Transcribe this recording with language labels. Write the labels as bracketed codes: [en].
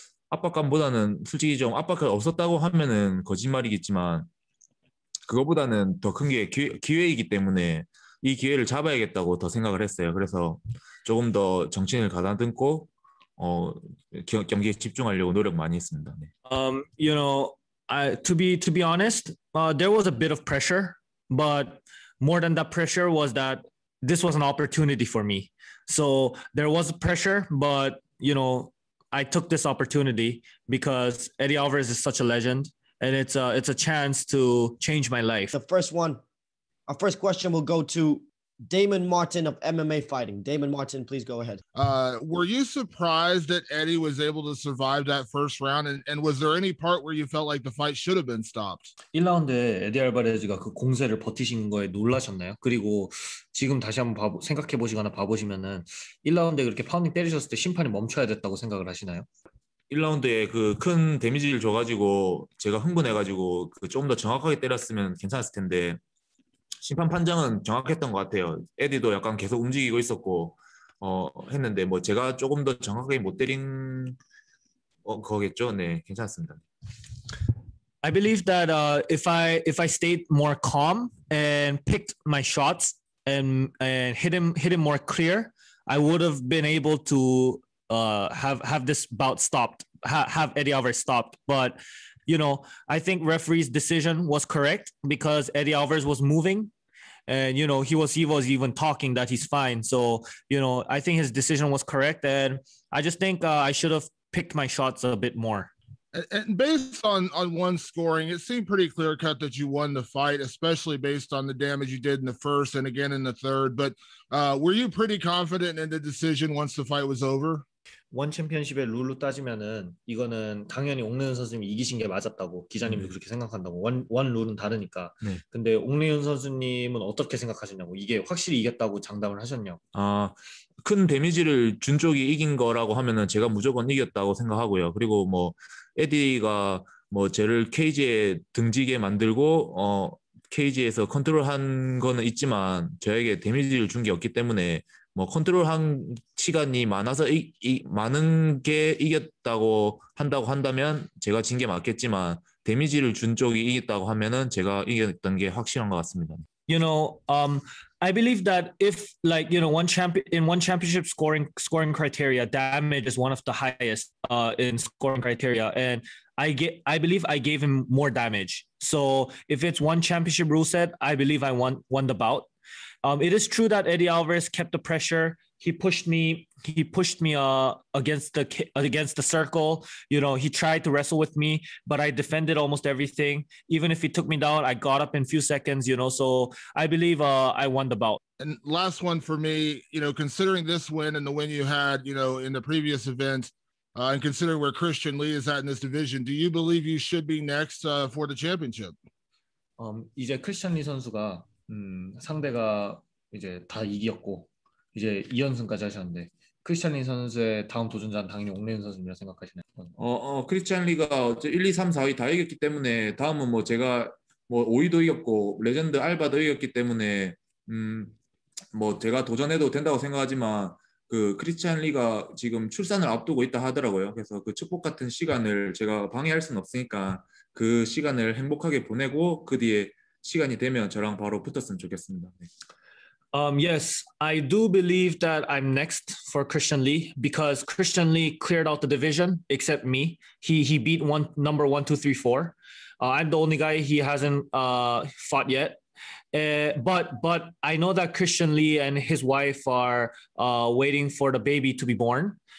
[ko] 압박감보다는 솔직히 좀 압박감 없었다고 하면은 거짓말이겠지만 그거보다는 더 큰 게 기회이기 때문에 이 기회를 잡아야겠다고 더 생각을 했어요. 그래서 조금 더 정신을 가다듬고 경기에 집중하려고 노력 많이 했습니다. 네. [en] You know, to be honest, there was a bit of pressure, but more than that pressure was that this was an opportunity for me. So there was pressure, but you know, I took this opportunity because Eddie Alvarez is such a legend and it's a chance to change my life. The first one, our first question will go to Damon Martin of MMA Fighting. Damon Martin, please go ahead. Were you surprised that Eddie was able to survive that first round? And was there any part where you felt like the fight should have been stopped? [ko] 1라운드에 에디 알바레즈가 그 공세를 버티신 거에 놀라셨나요? 그리고 지금 다시 한번 생각해보시거나 봐보시면은 1라운드에 그렇게 파운딩 때리셨을 때 심판이 멈춰야 됐다고 생각을 하시나요? 1라운드에 그 큰 데미지를 줘가지고 제가 흥분해가지고 그 좀 더 정확하게 때렸으면 괜찮았을 텐데 심판 판정은 정확했던 것 같아요. 에디도 약간 계속 움직이고 있었고 했는데 뭐 제가 조금 더 정확하게 못 때린 거겠죠. 네, 괜찮습니다. [en] I believe that if I stayed more calm and picked my shots and hit him more clear, I would have been able to have this bout stopped, have Eddie Alvarez stopped, but you know, I think referee's decision was correct because Eddie Alvarez was moving and, you know, he was even talking that he's fine. So, you know, I think his decision was correct. And I just think I should have picked my shots a bit more. And based on one scoring, it seemed pretty clear cut that you won the fight, especially based on the damage you did in the first and again in the third. But were you pretty confident in the decision once the fight was over? [ko] 원 챔피언십의 룰로 따지면은 이거는 당연히 옥내연 선수님이 이기신 게 맞았다고 기자님도 네. 그렇게 생각한다고 원 룰은 다르니까 네. 근데 옥내연 선수님은 어떻게 생각하시냐고 이게 확실히 이겼다고 장담을 하셨냐고 아, 큰 데미지를 준 쪽이 이긴 거라고 하면은 제가 무조건 이겼다고 생각하고요 그리고 뭐 에디가 뭐 쟤를 케이지에 등지게 만들고 케이지에서 컨트롤한 거는 있지만 저에게 데미지를 준 게 없기 때문에 뭐 컨트롤한 시간이 많아서 많은 게 이겼다고 한다고 한다면 제가 진 게 맞겠지만 데미지를 준 쪽이 이겼다고 하면은 제가 이겼던 게 확실한 것 같습니다. [en] You know, I believe that if like you know one championship scoring criteria, damage is one of the highest in scoring criteria, and I believe I gave him more damage. So if it's one championship rule set, I believe I won the bout. It is true that Eddie Alvarez kept the pressure. He pushed me against the circle. You know, he tried to wrestle with me, but I defended almost everything. Even if he took me down, I got up in a few seconds, you know. So I believe I won the bout. And last one for me, you know, considering this win and the win you had, you know, in the previous event, and considering where Christian Lee is at in this division, do you believe you should be next for the championship? [ko] 이제 크리스천 리 선수가 상대가 이제 다 이겼고 이제 2연승까지 하셨는데 크리스찬 리 선수의 다음 도전자는 당연히 옥내연 선수라고 생각하시나요? 크리스찬 리가 1, 2, 3, 4위 다 이겼기 때문에 다음은 뭐 제가 뭐 오이도 이겼고 레전드 알바도 이겼기 때문에 뭐 제가 도전해도 된다고 생각하지만 그 크리스찬 리가 지금 출산을 앞두고 있다 하더라고요. 그래서 그 축복 같은 시간을 제가 방해할 순 없으니까 그 시간을 행복하게 보내고 그 뒤에 시간이 되면 저랑 바로 붙었으면 좋겠습니다. [en] Yes, I do believe that I'm next for Christian Lee because Christian Lee cleared out the division except me. He beat one number 1, 2, 3, 4. I'm the only guy he hasn't fought yet. But I know that Christian Lee and his wife are waiting for the baby to be born.